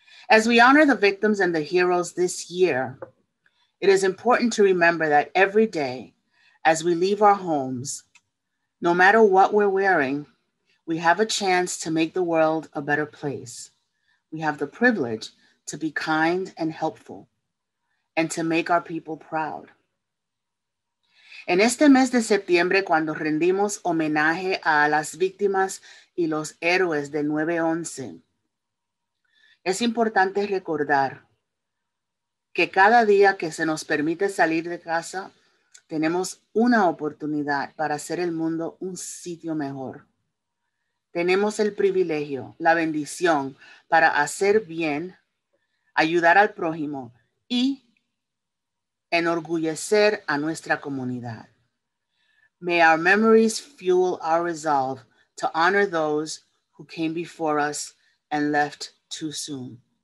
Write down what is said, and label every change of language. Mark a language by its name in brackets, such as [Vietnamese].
[English] As we honor the victims and the heroes this year, it is important to remember that every day as we leave our homes, no matter what we're wearing, we have a chance to make the world a better place. We have the privilege to be kind and helpful and to make our people proud. [Spanish] En este mes de septiembre, cuando rendimos homenaje a las víctimas y los héroes del 9-11, es importante recordar que cada día que se nos permite salir de casa, tenemos una oportunidad para hacer el mundo un sitio mejor. Tenemos el privilegio, la bendición para hacer bien, ayudar al prójimo y enorgullecer a nuestra comunidad. [English] May our memories fuel our resolve to honor those who came before us and left too soon.